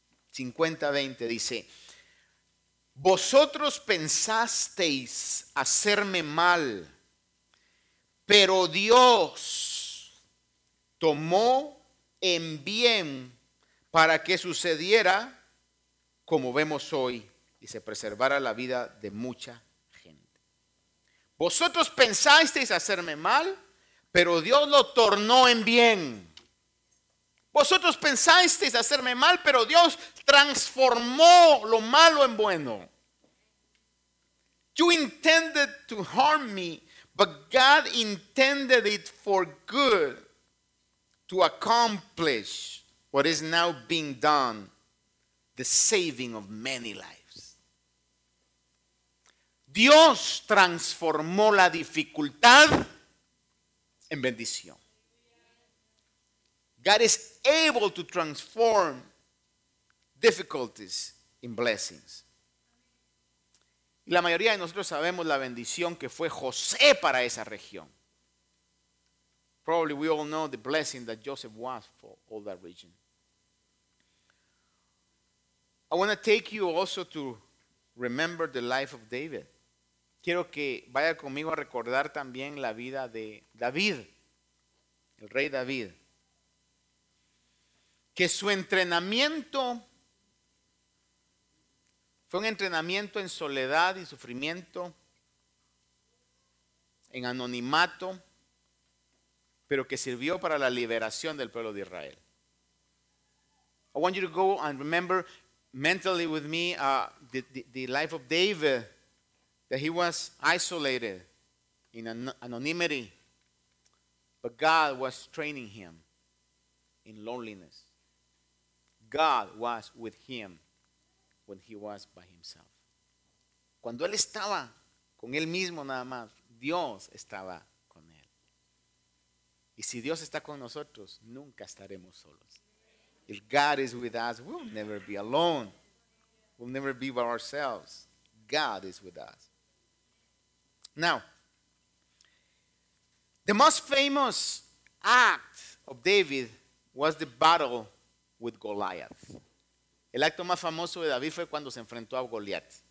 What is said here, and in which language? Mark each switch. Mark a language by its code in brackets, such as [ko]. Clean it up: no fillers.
[es] 50, 20 dice, vosotros pensasteis hacerme mal, pero Dios tomó en bien para que sucediera como vemos hoy y se preservara la vida de mucha gente. Vosotros pensasteis hacerme mal, pero Dios lo tornó en bien. Vosotros pensasteis hacerme mal, pero Dios transformó lo malo en bueno. [en] You intended to harm me, but God intended it for good, to accomplish what is now being done, the saving of many lives. [es] Dios transformó la dificultad en bendición. [en] God is able to transform difficulties in blessings. [es] La mayoría de nosotros sabemos la bendición que fue José para esa región. [en] Probably we all know the blessing that Joseph was for all that region. I want to take you also to remember the life of David. [es] Quiero que vaya conmigo a recordar también la vida de David, el rey David. Que su entrenamiento fue un entrenamiento en soledad y sufrimiento, en anonimato, pero que sirvió para la liberación del pueblo de Israel. [en] I want you to go and remember mentally with me the life of David, that he was isolated in anonymity, but God was training him in loneliness. God was with him when he was by himself. [es] Cuando él estaba con él mismo nada más, Dios estaba con él. Y si Dios está con nosotros, nunca estaremos solos. [en] If God is with us, we'll never be alone. We'll never be by ourselves. God is with us. Now, the most famous act of David was the battle with Goliath. [es] El acto más famoso de David fue cuando se enfrentó a Goliat.